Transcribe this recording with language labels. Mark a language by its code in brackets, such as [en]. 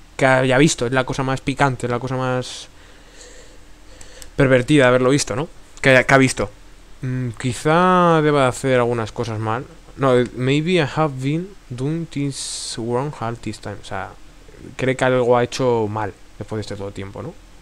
[es] Que había visto, es la cosa más picante, es la cosa más pervertida de haberlo visto, ¿no? Que ha visto. Quizá deba hacer algunas cosas mal. [en] No, maybe I have been doing this wrong half this time. [es] O sea, cree que algo ha hecho mal después de este todo tiempo, ¿no?